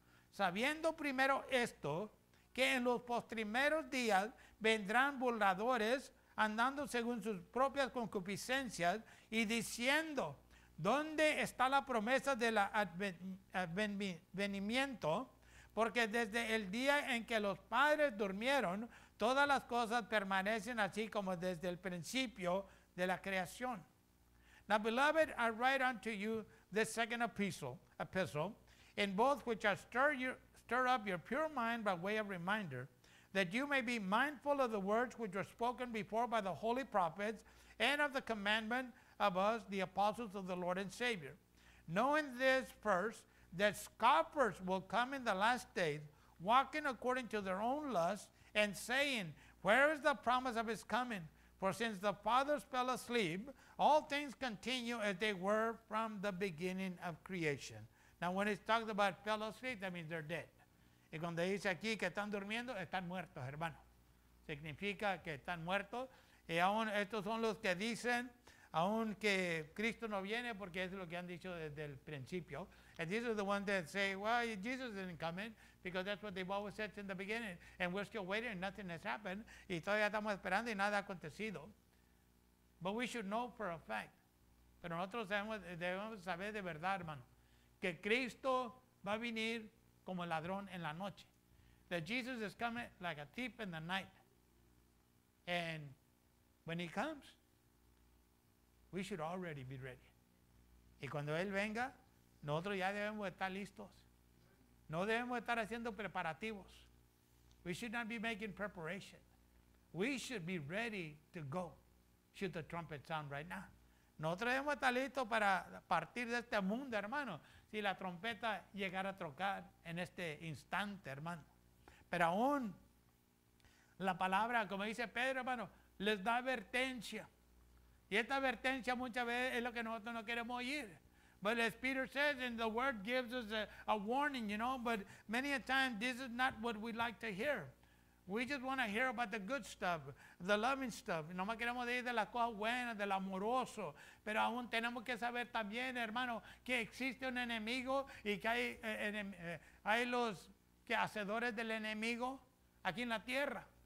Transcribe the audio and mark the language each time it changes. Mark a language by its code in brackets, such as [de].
[es] sabiendo primero esto, que en los postrimeros días vendrán burladores andando según sus propias concupiscencias y diciendo, ¿dónde está la promesa del advenimiento? Porque desde el día en que los padres durmieron, todas las cosas permanecen así como desde el principio de la creación. [en] Now, beloved, I write unto you this second epistle, in both which I stir up your pure mind by way of reminder, that you may be mindful of the words which were spoken before by the holy prophets and of the commandment of us, the apostles of the Lord and Savior. Knowing this first, that scoffers will come in the last days, walking according to their own lust, and saying, where is the promise of his coming? For since the fathers fell asleep, all things continue as they were from the beginning of creation. Now, when it's talked about fell asleep, that means they're dead. [es] Y cuando dice aquí que están durmiendo, están muertos, hermano. Significa que están muertos. Y aún estos son los que dicen, aún que Cristo no viene, porque es lo que han dicho desde el principio. [en] And these are the ones that say, well, Jesus isn't coming, because that's what they've always said in the beginning. And we're still waiting, and nothing has happened. [es] Y todavía estamos esperando y nada ha acontecido. [en] But we should know for a fact. [es] Pero nosotros debemos saber de verdad, hermano, que Cristo va a venir como ladrón en la noche. [en] That Jesus is coming like a thief in the night. And when he comes, we should already be ready. [es] Y cuando él venga, nosotros ya debemos estar listos. No debemos estar haciendo preparativos. [en] We should not be making preparation. We should be ready to go, should the trumpet sound right now. [es] Nosotros debemos estar listos para partir de este mundo, hermano, si la trompeta llegara a tocar en este instante, hermano. Pero aún la palabra, como dice Pedro, hermano, les da advertencia. Y esta advertencia muchas veces es lo que nosotros no queremos oír. [en] But as Peter says, and the word gives us a warning, you know, but many a time this is not what we like to hear. We just want to hear about the good stuff, the loving stuff. [es] No más queremos decir de las cosas buenas, del amoroso. Pero aún tenemos que saber también, hermano, que existe un enemigo y que hay los que hacedores del enemigo aquí en la tierra.